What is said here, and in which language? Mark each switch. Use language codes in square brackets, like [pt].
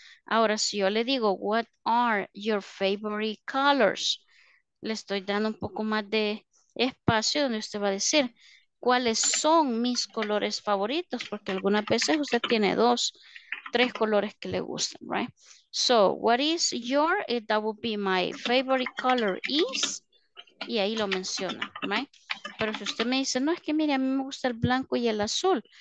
[es] Ahora, si yo le digo, [en] what are your favorite colors? [es] Le estoy dando un poco más de espacio donde usted va a decir, ¿cuáles son mis colores favoritos? Porque algunas veces usted tiene dos, tres colores que le gustan, right? [en] So, what is your, that would be my favorite color is, [es] y ahí lo menciona, right? Pero si usted me dice, no, es que mire, a mí me gusta el blanco y el azul.